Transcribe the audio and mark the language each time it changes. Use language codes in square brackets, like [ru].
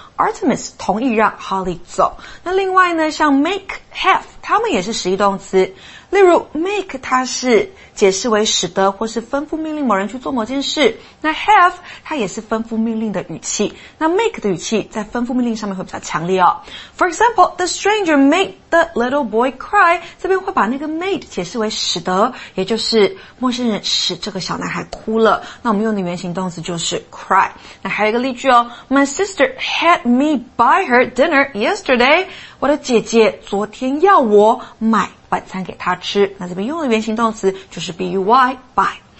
[zh] Artemis 同意让 Holly 走。那另外呢像 make, have, 它们也是实义动词。例如 make 它是解释为使得或是吩咐命令某人去做某件事。那 have 它也是吩咐命令的语气。那 make 的语气在吩咐命令上面会比较强烈哦。 [en] For example, the stranger made the little boy cry. [zh] 这边会把那个 made 解释为使得，也就是陌生人使这个小男孩哭了。那我们用的原形动词就是 cry。那还有一个例句哦。 [en] My sister had me buy her dinner yesterday. [zh] 我的姐姐昨天要我买晚餐给他吃，那这边用的原形动词就是 buy, buy.